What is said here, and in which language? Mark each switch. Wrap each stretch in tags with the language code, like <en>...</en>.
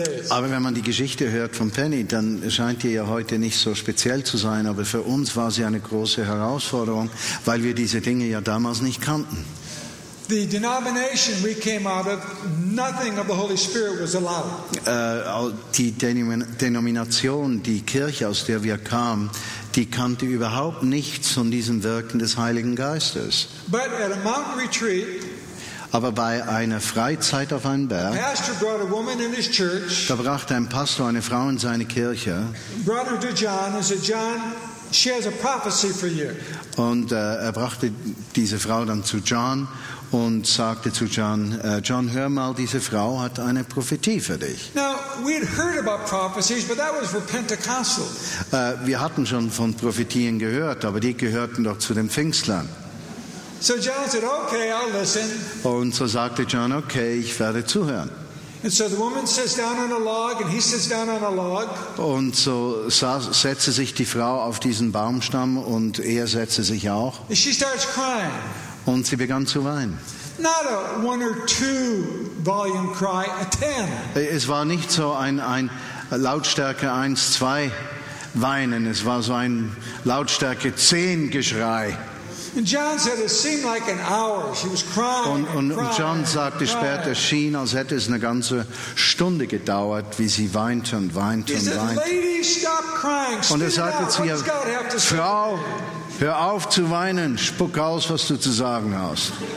<de>Aber wenn man die Geschichte hört von Penny, dann scheint die ja heute nicht so speziell zu sein, aber für uns war sie eine große Herausforderung, weil wir diese Dinge ja damals nicht kannten.</de> <en>The denomination we came out of, nothing of the Holy Spirit was allowed.</en> <de>Die Denomination, die Kirche, aus der wir kamen, die kannte überhaupt nichts von diesem Wirken des Heiligen Geistes.</de> <en>But at a mountain retreat,</en> <de>aber bei einer Freizeit auf einem Berg,</de> <en>a pastor brought a woman in his church,</en> <de>da brachte ein Pastor eine Frau in seine Kirche,</de> <en>brought her to John and said, John, she has a prophecy for you.</en> <de>Und er brachte diese Frau dann zu John und sagte zu John, John, hör mal, diese Frau hat eine Prophetie für dich.</de> <en>Now, we'd heard about prophecies, but that was for Pentecostals.</en> <de>Wir hatten schon von Prophetien gehört, aber die gehörten doch zu den Pfingstlern.</de> <en>So John said, okay, I'll listen.</en> <de>Und so sagte John, okay, ich werde zuhören.</de> <en>And so the woman sits down on a log, and he sits down on a log.</en> <de>Und so setzte sich die Frau auf diesen Baumstamm, und setzte sich auch.</de> <en>And she starts crying.</en> <de>Und sie begann zu weinen.</de> <en>Not a one or two volume cry, a ten.</en> <de>Es war nicht so ein Lautstärke 1, 2 weinen. Es war so ein Lautstärke 10 Geschrei.</de> <en>And John said it seemed like an hour. She was crying.</en> <de>Und John sagte später, es schien, als hätte es eine ganze Stunde gedauert, wie sie weinte und weinte und weinte.</de> <en>Lady, stop crying.</en> <de>Und sagte zu ihr, Frau, hör auf zu weinen, spuck aus, was du zu sagen hast.</de>